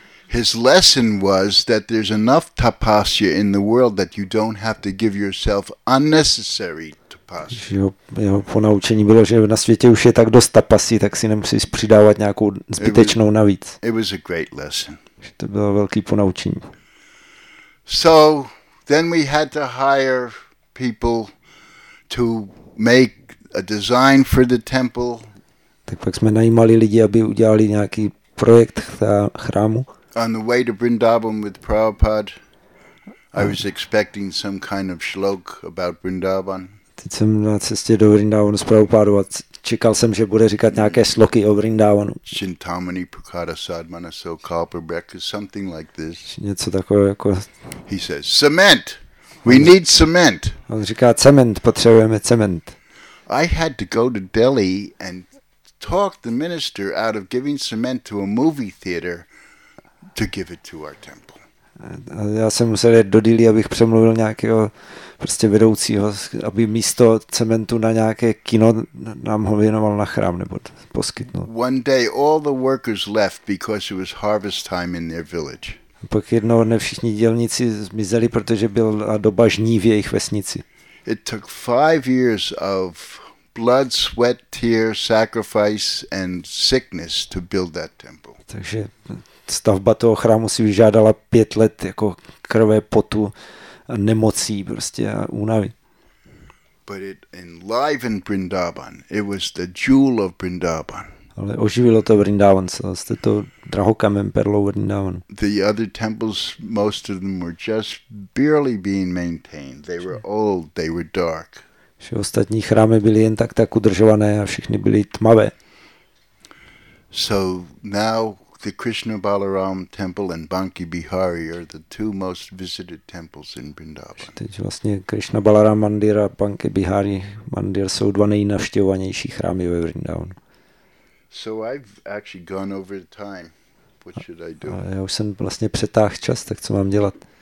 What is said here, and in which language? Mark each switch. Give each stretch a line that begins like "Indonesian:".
English: His lesson was that there's enough tapasya in the world that you don't have to give yourself unnecessary tapasya.
Czech: Jeho ponaučení bylo, že na světě už je tak dost tapasy, tak si nemusíš přidávat nějakou zbytečnou navíc.
English: It was a great lesson.
Czech: To bylo velký ponaučení.
English: So then we had to hire people to make a design for the temple.
Czech: Tak pak jsme najímali lidi, aby udělali nějaký projekt chrámu.
English: On the way to Vrindavan with Prabhupada, I was expecting some kind of shloka about Vrindavan.
Czech: Teď jsem na cestě do Vrindavanu s Prabhupádou a čekal jsem, že bude říkat nějaké sloky o Vrindavanu.
English: Chintamani Prakata Sadmana Sokalpa Breakfast, something like this.
Czech: Něco takového jako...
English: He says, cement! We need cement!
Czech: On říká, cement, potřebujeme cement.
English: I had to go to Delhi and talk the minister out of giving cement to a movie theater to give it to our temple.
Czech: Já jsem musel jít do Dili, abych přemluvil nějakého prostě vedoucího, aby místo cementu na nějaké kino nám ho věnoval na chrám nebo poskytnul.
English: One day all the workers left because it was harvest time in their village.
Czech: Pak jednou dne všichni dělníci zmizeli, protože byla doba žní v jejich vesnici.
English: It took 5 years of blood, sweat, tears, sacrifice and sickness to build that temple.
Czech: Takže stavba toho chrámu si vyžádala 5 let jako krve, potu, nemocí prostě a únavy.
English: But it enlivened Vrindavan. It was the jewel of Vrindavan.
Czech: Ale oživilo to Vrindavan, stalo se to drahokamem, perlou Vrindavanu.
English: The other temples, most of them were just barely being maintained. They were old, they were dark.
Czech: že ostatní chrámy byly jen tak tak udržované a všichni byly tmavé.
English: So now the Krishna Balaram temple and Banki Bihari are the two most visited temples in Vrindavan.
Czech: Teď vlastně Krishna Balaram Mandir a Banki Bihari Mandir jsou dva nejnavštěvovanější chrámy ve Vrindavanu.
English: So I've actually gone over time. What should I do?
Czech: Já už jsem vlastně přetáhl čas, tak co mám dělat?